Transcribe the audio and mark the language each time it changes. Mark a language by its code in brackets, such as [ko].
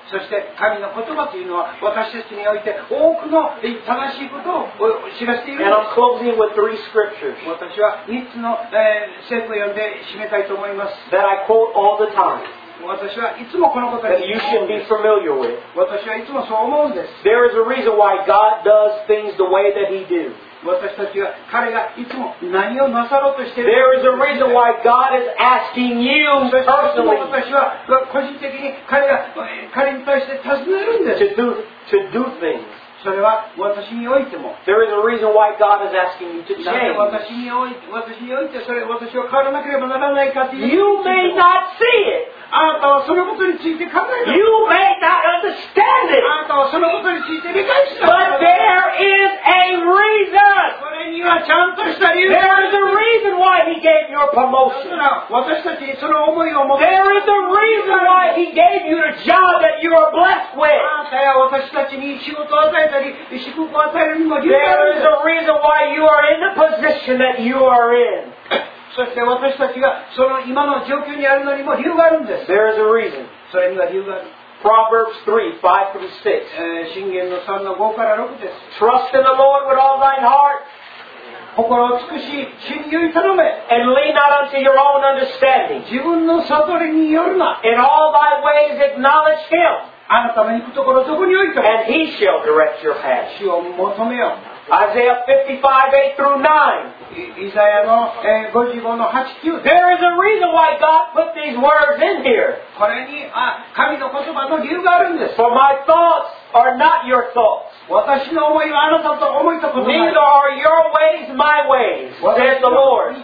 [ja] そして神の言葉というのは私たちにおいて多くの正しいことを示しているんです。 [en] And I'm closing with three scriptures. [ja] 私は3つの聖句を読んで締めたいと思います。 [en] That I quote all the time. [ja] 私はいつもこのことに。 [en] That you should be familiar with. [ja] 私はいつもそう思うんです。 [en] There is a reason why God does things the way that He do. [ja] 私たちは彼がいつも何をなさろうとしている。 [en] There is a reason why God is asking you personally. [ja] 私は個人的に彼に対して尋ねるんです。 [en] To do things. [ja] それは私においても。 [en] There is a reason why God is asking you to change. [ja] 私においてそれ私は変わらなければならないかという。 [en] You may not see it. [ja] あなたはそのことについて考えない。 [en] You may not understand it. [ja] あなたはそのことについて理解しない。 [en] But there is a reason. [ja] それにはちゃんとした理由。 [en] There is a reason why He gave your promotion. [ja] 私たちにその思いを持って。 [en] There is a reason why He gave you the job that you are blessed with. [ja] あなたは私たちに仕事を [en] There is a reason why you are in the position that you are in. [ja] そして私たちがその今の状況にあるのにも理由があるんです。 [en] There is a reason. [ja] それには理由がある。 [en] Proverbs 3:5-6. [ja] 箴言の3の5から6です。 [en] Trust in the Lord with all thine heart. [ja] 心を尽くし、真理に頼め。 [en] And lean not unto your own understanding. [ja] 自分の悟りによるな。 [en] In all thy ways acknowledge Him. [ja] あなたの行くところどこに置いても [en] And he shall direct your path. [ja] 主を求めよ [en] Isaiah 55:8-9 [ja] イザヤの55:8-9 [en] There is a reason why God put these words in here. [ja] これに神の言葉の理由があるんです [en] For my thoughts are not your thoughts. [ja] 私の思いはあなたと思いたことない [en] Neither are your ways my ways, says the Lord.